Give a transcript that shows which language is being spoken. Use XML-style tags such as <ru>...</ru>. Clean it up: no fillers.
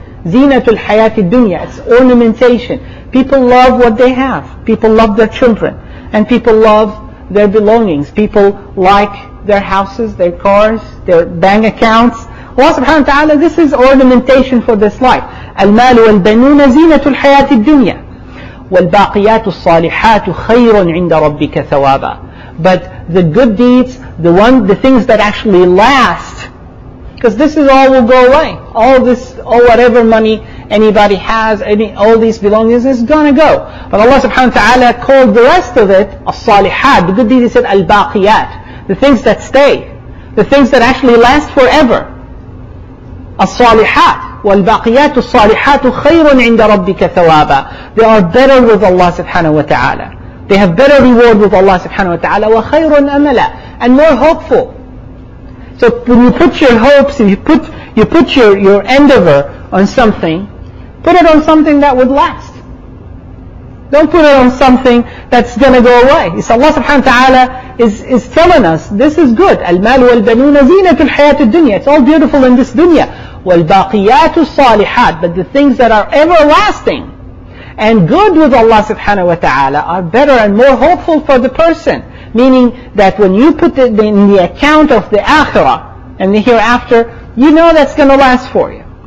<ar>زِينَةُ الْحَيَاةِ الدُّنْيَا,</ar> <en>it's ornamentation. People love what they have. People love their children. And people love their belongings. People like their houses, their cars, their bank accounts. Allah subhanahu wa ta'ala, this is ornamentation for this life.</en> <ar>المال والبنون زينة الحياة الدنيا والباقيات الصالحات خير عند ربك ثوابا.</ar> <en>But the good deeds, the things that actually last, because this is all will go away. All this, all whatever money anybody has, all these belongings is gonna go. But Allah subhanahu wa ta'ala called the rest of it الصالحات, the good deeds. He said الباقيات, the things that stay, the things that actually last forever.</en> <ar>الصالحات والباقيات الصالحات خير عند ربك ثوابا.</ar> <en>They are better with Allah subhanahu wa ta'ala. They have better reward with Allah subhanahu wa ta'ala.</en> <ar>وخير أملا,</ar> <en>and more hopeful. So when you put your hopes, you put your endeavor on something, put it on something that would last. Don't put it on something that's gonna go away. So Allah subhanahu wa ta'ala is telling us, this is good.</en> <ar>المال والبنون زينة الحياة الدنيا.</ar> <en>It's all beautiful in this dunya.</en> <ar>والباقيات الصالحات.</ar> <en>But the things that are everlasting and good with Allah subhanahu wa ta'ala are better and more hopeful for the person. Meaning that when you put it in the account of the akhirah and the hereafter, you know that's gonna last for you.</en>